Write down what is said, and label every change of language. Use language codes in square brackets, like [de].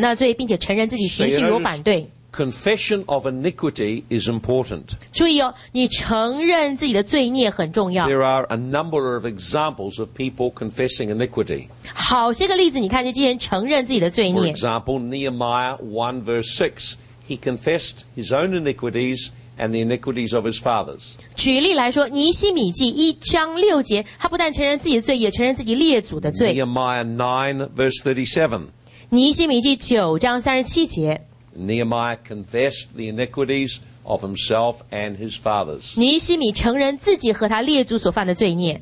[zh] 他们要承认自己的罪和他们祖宗的罪，就是干犯我的那罪，并且承认自己行事有反对。 [en] Confession of iniquity is important. [zh] 注意哦, 你承认自己的罪孽很重要。 [en] There are a number of examples of people confessing iniquity. [zh] 好些个例子，你看见这些人承认自己的罪孽。 [en] For example, Nehemiah 1 verse 6, he confessed his own iniquities and the iniquities of his fathers. [zh] 举例来说, 尼希米记1章6节, 他不但承认自己的罪, [en] Nehemiah 9, verse 37. [zh] 尼希米记9章37节, [en] Nehemiah confessed the iniquities of himself and his fathers. [zh] 尼希米承认自己和他列祖所犯的罪孽。